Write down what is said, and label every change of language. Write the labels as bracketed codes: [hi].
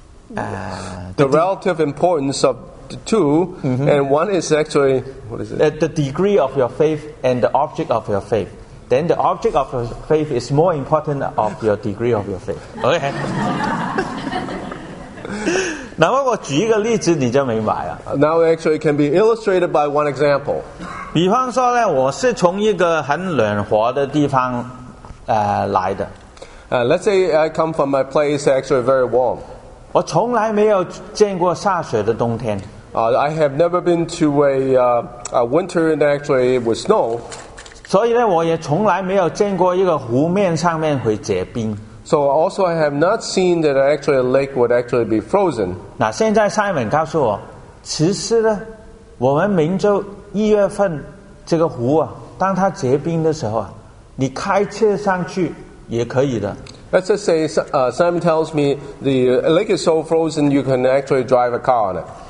[en] the relative importance of the two, and one is actually, what is it? The degree of your faith and the object of your faith. Then the object of your faith is more important of your degree of your faith. Okay. [zh] 那么我举一个例子你就明白了。 [en] Now actually it can be illustrated by one example. [zh] 比方说呢, 我是从一个很暖和的地方, 来的。 [en] Let's say I come from a place actually very warm. [zh] 我从来没有见过下雪的冬天。 [en] I have never been to a winter and actually with snow. [zh] 所以呢, 我也从来没有见过一个湖面上面会结冰。 [en] So also I have not seen that actually a lake would actually be frozen. [zh] 那现在Simon告诉我, 其实呢, 我们明州1月份这个湖啊, 当它结冰的时候啊, 你开车上去也可以的。 [en] Let's just say Simon tells me the lake is so frozen you can actually drive a car on it.